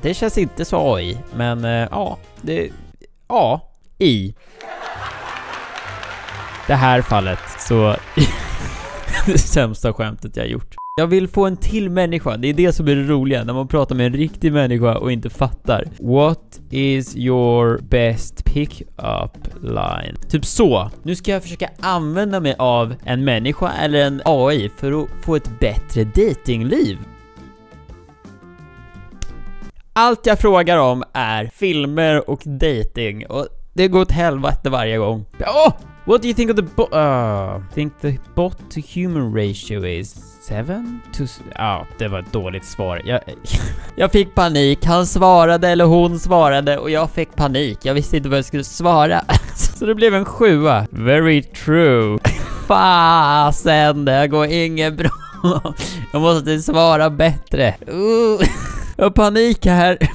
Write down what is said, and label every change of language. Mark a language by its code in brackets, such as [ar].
[sv] Det känns inte så AI, men ja, det är AI. Det här fallet, så det sämsta skämtet jag gjort. Jag vill få en till människa. Det är det som är det roliga. När man pratar med en riktig människa och inte fattar. [en] What is your best pickup line? [sv] Typ så. Nu ska jag försöka använda mig av en människa eller en AI för att få ett bättre datingliv. Allt jag frågar om är filmer och dating. Och det går åt helvete varje gång. [en] What do you think of the bot? Think the bot to human ratio is 7 to... [sv] det var ett dåligt svar. Jag fick panik. Han svarade eller hon svarade och jag fick panik. Jag visste inte vad jag skulle svara. Så det blev en 7. [en] Very true. [sv] Fasen, det går inget bra. Jag måste svara bättre. Jag har panik här.